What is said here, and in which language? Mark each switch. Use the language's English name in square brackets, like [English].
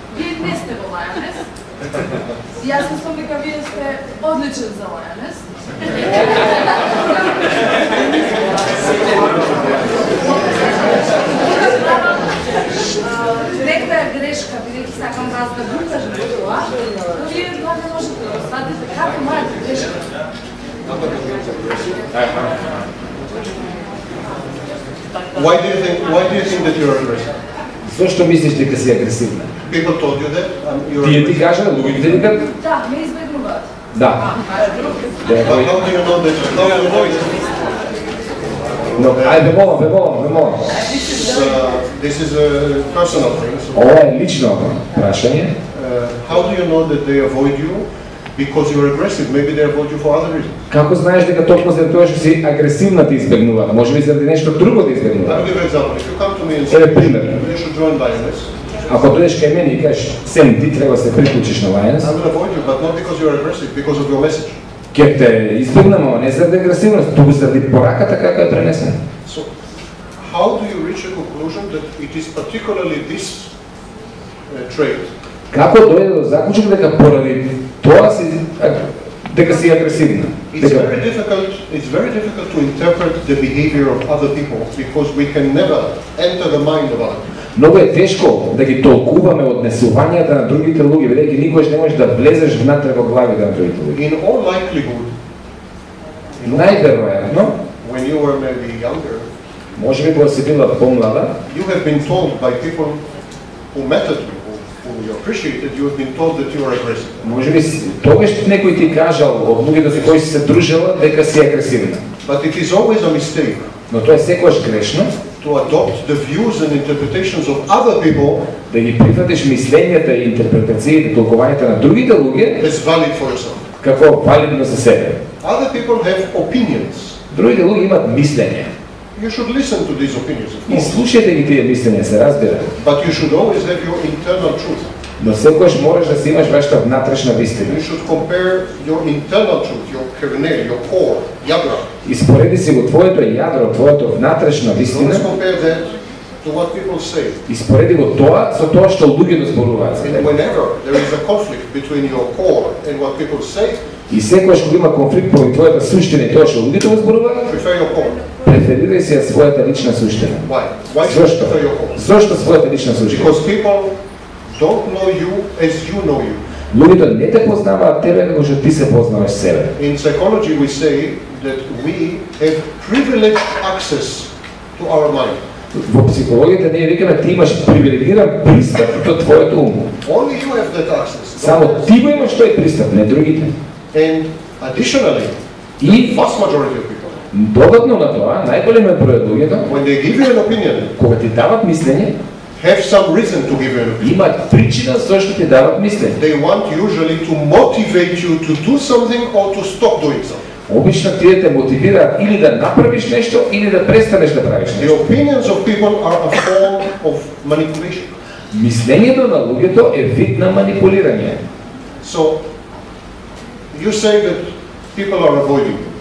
[Macedonian] Вие не сте во лајанес. Јас мислам дека вие сте одличен за лајанес. Некоја е грешка, бидејќи сакам вас да го кажам тоа, но вие тоа не можете да осватите како мајата грешка. [English] Why do you think that you're aggressive? [Macedonian] Зошто мислиш дека си агресивна? [English] People told you that you're. [Macedonian] Тие ти кажа, луѓето ти кажа. Да, ме избегнуваат. Да. [English] How do you know that you know your voice? No, I be more, be more, be more. This is a personal thing. [Macedonian] Ова е лично прашање. [English] How do you know that they avoid you? Because you're aggressive, maybe they avoid you for other reasons. [Macedonian] Како знаеш дека токму за тоа што си агресивна ти избегнува, може би заради нешто друго ти избегнува. [English] Let me give you an example. If you come to me and say, you should join Lioness. [Macedonian] Ако дојдеш кај мене и кажеш, Сем, ти треба се приклучиш на Lioness. [English] I'm gonna avoid you, but not because you're aggressive, because of your message. [Macedonian] Ке те избегнам, не заради агресивност, туку заради пораката како ја пренесен. [English] So, how do you reach a conclusion that it is particularly this trait? [Macedonian] Како дојде до заклучок дека поради тоа си дека си агресивна. [English] It's very difficult to interpret the behavior of other people because we can never enter the mind of others. [Macedonian] Многу е тешко да ги толкуваме однесувањата на другите луѓе, бидејќи никогаш не можеш да влезеш внатре во главите на другите луѓе. [English] In all likelihood. [Macedonian] Најверојатно, [English] when you were maybe younger. [Macedonian] Можеби кога си била помлада, [English] you have been told by people who mattered to you. You appreciated, you have been told that you are aggressive. [Macedonian] Може би тогаш некој ти кажал од луѓето со кои си се дружела дека си агресивна. [English] But it is always a mistake. [Macedonian] Но тоа е секогаш грешно. [English] To adopt the views and interpretations of other people. [Macedonian] Да ги прифатиш мислењата и интерпретациите, толкувањата на другите луѓе. [English] As valid for yourself. [Macedonian] Како валидно за себе. [English] Other people have opinions. [Macedonian] Другите луѓе имаат мислење. [English] you should listen to these opinions. [Macedonian] И слушајте ги тие мислења, се разбира. [English] But you should always have your internal truth. [Macedonian] Но секогаш мораш да си имаш вашата внатрешна вистина. [English] You should compare your internal truth, your kernel, your core, ядро. [Macedonian] И спореди си го твоето јадро, твоето внатрешна вистина. [English] Don't compare that to what people say. [Macedonian] И спореди го тоа со тоа што луѓето зборуваат. [English] Whenever there is a conflict between your core and what people say. [Macedonian] И секогаш кога има конфликт помеѓу твојата суштина и тоа што луѓето зборуваат, преферирај си ја својата лична суштина. Зошто? Зошто својата лична суштина? [English] Because people don't know you as you know you. [Macedonian] Луѓето не те познаваат тебе како што ти се познаваш себе. [English] In psychology we say that we have privileged access to our mind. [Macedonian] Во психологијата ние викаме ти имаш привилегиран пристап до твоето ум. [English] Only you have that access. [Macedonian] Само ти го имаш тој пристап, не другите. [English] And additionally, the vast majority of people. [Macedonian] Додатно на тоа, најголемиот број од луѓето, [English] when they give you an opinion, [Macedonian] кога ти дават мислење, [English] have some reason to give an opinion. [Macedonian] Имаат причина зошто ти дават мислење. [English] They want usually to motivate you to do something or to stop doing something. [Macedonian] Обично тие те мотивираат или да направиш нешто или да престанеш да правиш нешто. [English] The opinions of people are a form of manipulation. [Macedonian] Мислењето на луѓето е вид на манипулирање. [English] So you say that people are avoiding.